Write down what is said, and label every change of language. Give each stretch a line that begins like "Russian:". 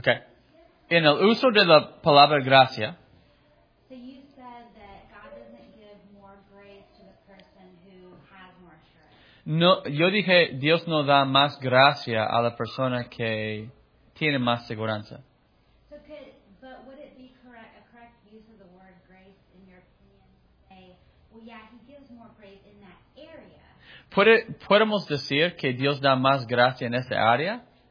Spanish: Okay. In el uso de la palabra gracia.
English: So you said that God doesn't give more grace to the person who has more assurance.
Spanish: No, yo dije Dios no da más gracia a la persona que tiene más seguridad.
English: So could, but would it be correct, a correct use of the word grace in your opinion? Say, well, yeah, he gives more grace in that area.
Spanish: ¿Podemos decir que Dios da más gracia en esa área?